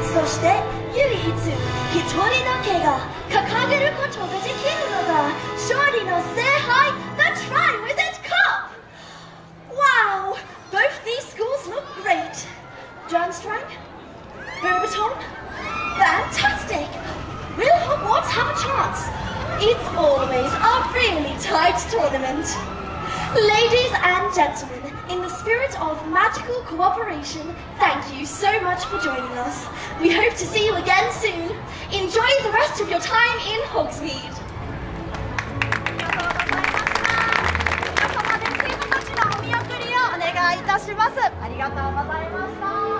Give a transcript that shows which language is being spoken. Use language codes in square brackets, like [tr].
[ja] して唯一一人だけが掲げることができるのが勝利の聖杯 The Tri Wizard Cup! [en] Wow! Both these schools look great! Durmstrang? Bobaton? Fantastic! Will Hogwarts have a chance? It's always a really tight tournament! Ladies and gentlemen, in the spirit of magical cooperation, thank you so much for joining us. We hope to see you again soon. Enjoy the rest of your time in Hogsmeade. [ja] ありがとうございました。皆様で生徒たちのお見送りをお願いいたします。ありがとうございました。